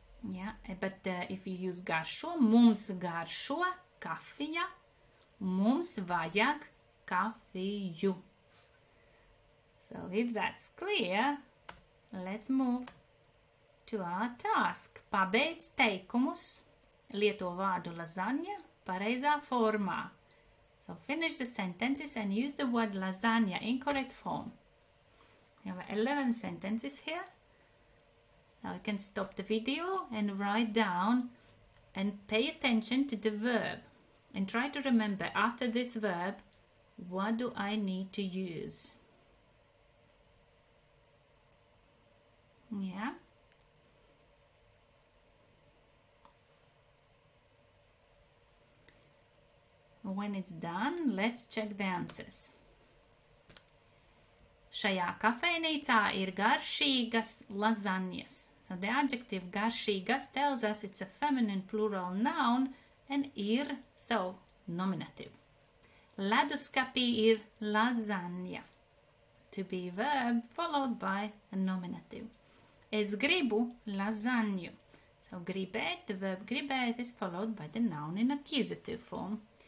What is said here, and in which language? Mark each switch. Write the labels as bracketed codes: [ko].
[en] Yeah, but if you use [lv] garšo, mums garšo kafija, mums vajag kafiju. [en] So if that's clear, let's move to our task. [lv] Pabeidz teikumus, lieto vārdu lazaņa pareizā formā. [en] So finish the sentences and use the word lasagna in correct form. You have 11 sentences here. Now you can stop the video and write down and pay attention to the verb. And try to remember after this verb, what do I need to use? Yeah. When it's done, let's check the answers. [lv] Šajā kafejnīcā ir garšīgas lazaņas. [en] So the adjective garšīgas tells us it's a feminine plural noun and ir, so nominative. [lv] Leduskapī ir lazaņa. [en] To be verb followed by a nominative. [lv] Es gribu lazaņu. [en] So gribēt, the verb gribēt is followed by the noun in accusative form.